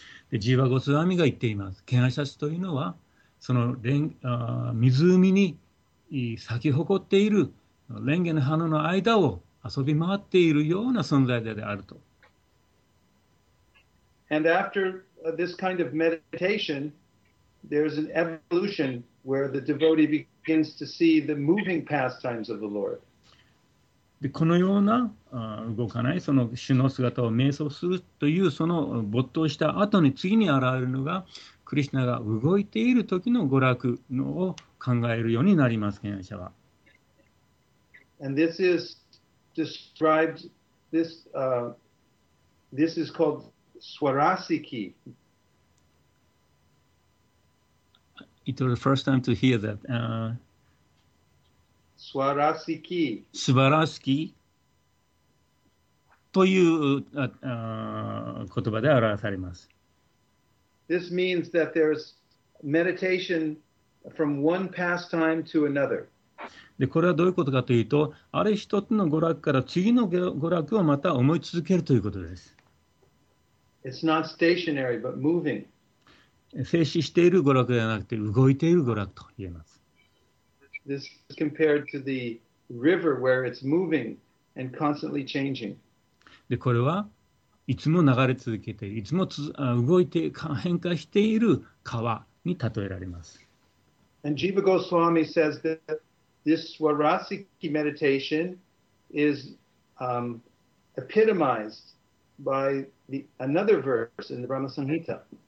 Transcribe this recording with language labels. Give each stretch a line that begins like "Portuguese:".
Japanese: で、ジーヴァ・ゴスワミが言っています。ケナシャスというのは、その湖に咲き誇っているレンゲの花の間を遊び回っているような存在であると。
English: And after this kind of meditation, there's an evolution where the devotee begins to see the moving pastimes of the Lord.
Japanese: で、このような動かないその主の姿を瞑想するというその没頭した後に次に現れるのが、クリシュナが動いている時の娯楽のを考えるようになります、賢者は。
English: And this isDescribed this, this is called Swarasiki. It was the first time to hear that. Swarasiki. Swarasiki.
Japanese: という言葉で表されます。
English: This means that there's meditation from one pastime to another.
Japanese: で、これはどういうことかというと、ある一つの娯楽から次の娯楽をまた思い続けるということです。
English: It's not stationary, but moving.
Japanese: 静止している娯楽ではなくて動いている娯楽と言えます。
English: This is compared to the river where it's moving and constantly changing.
Japanese: でこれはいつも流れ続けている、いつも動いて変化している川に例えられます。
English: And Jiva Goswami says that this Swarasiki meditation is epitomized by the, another verse in the Brahma Samhita.